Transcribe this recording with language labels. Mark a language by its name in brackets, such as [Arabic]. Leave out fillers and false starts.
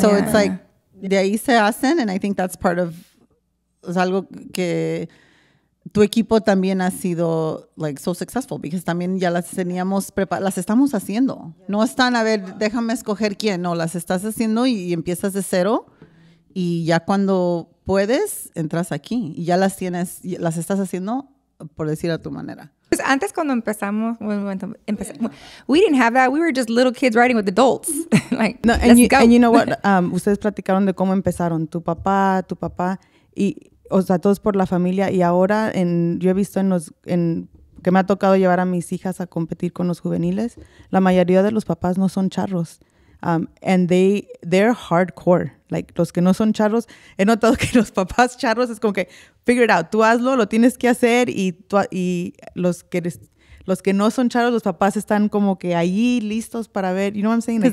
[Spanish] So it's like, de ahí se hacen, [English] and I think that's part of, [Spanish] es algo que tu equipo también ha sido, [English] like, so successful, [Spanish] because también ya las teníamos preparadas, las estamos haciendo. No están, a ver, déjame escoger quién. No, las estás haciendo y empiezas de cero. Y ya cuando puedes, entras aquí. Y ya las tienes, las estás haciendo, por decir a tu manera. Pues antes cuando empezamos, [English] we didn't have that. We were just little kids riding with adults. Like, no, and, let's go. And you know what? [Spanish] Ustedes platicaron de cómo empezaron. Tu papá, y, o sea, todos por la familia. Y ahora, yo he visto que me ha tocado llevar a mis hijas a competir con los juveniles. La mayoría de los papás no son charros. [English] And they're hardcore. [Spanish] Like, los que no son charros, he notado que los papás charros es como que, [English] figure it out, [Spanish] tú hazlo, lo tienes que hacer, y los que no son charros, los papás están como que ahí listos para ver, [English] you know what I'm saying?